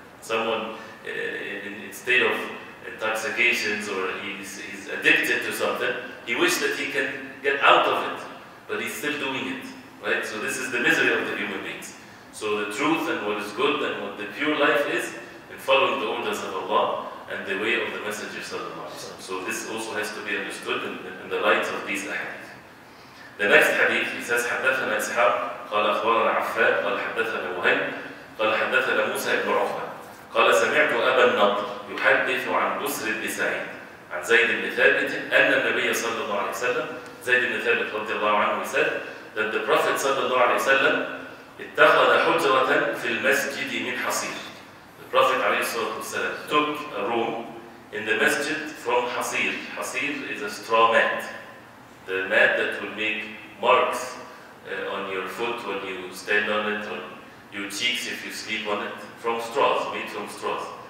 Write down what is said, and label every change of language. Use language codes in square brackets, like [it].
[en] Someone in state of intoxications, or he's addicted to something, he wished that he can get out of it, but he's still doing it, right? So this is the misery of the human beings. So the truth and what is good and what the pure life is, in following the orders of Allah and the way of the Messenger sallallahu alaihi wasallam. So this also has to be understood in the light of these ahadith. [ar] The next hadith, he says, حدثنا إسحاق قال أخبرنا عفان قال حدثنا وهيب قال حدثنا موسى بن عقبة قال سمعت أبا النضر يحدث عن بسر بن سعيد عن زيد بن ثابت أن النبي صلى الله عليه وسلم زيد بن ثابت رضي الله عنه said that the Prophet صلى الله عليه وسلم اتخذ حجرة في المسجد من حصير. [en] The Prophet عليه الصلاة والسلام took a room in the masjid from حصير. حصير is a straw mat. The mat that would make marks on your foot when you stand on it, or your cheeks if you sleep on it, from straws, made from straws.